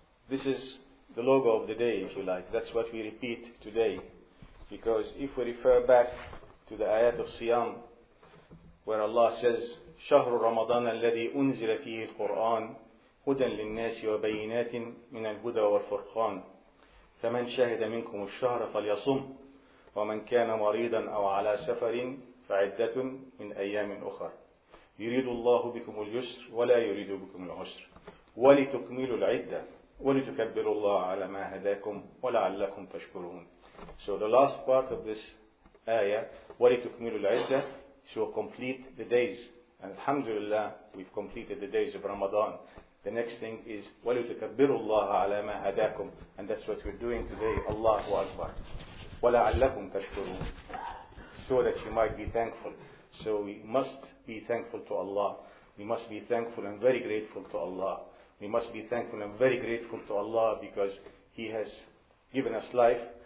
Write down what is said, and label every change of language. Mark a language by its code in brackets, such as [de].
[en] This is the logo of the day, if you like. That's what we repeat today. Because if we refer back to the ayat of Siyam, where Allah says, [ar] شهر رمضان الذي أنزل فيه القرآن هدى للناس وبينات من الهدى والفرقان فمن شهد منكم الشهر فليصم ومن كان مريضا أو على سفر فعدة من أيام أخر يريد الله بكم اليسر ولا يريد بكم العسر ولتكملوا العدة ولتكبروا الله على ما هداكم ولعلكم تشكرون. [en] So the last part of this ayah, [ar] ولتكملوا العدة, [en] so complete the days. And alhamdulillah, we've completed the days of Ramadan. The next thing is [ar] وَلِتُكَبِّرُوا اللَّهَ عَلَى مَا هَدَاكُمْ. [en] And that's what we're doing today. [ar] Allahu Akbar. وَلَعَلَّكُمْ تَشْكُرُونَ. [en] So that you might be thankful. So we must be thankful to Allah. We must be thankful and very grateful to Allah. We must be thankful and very grateful to Allah because He has given us life.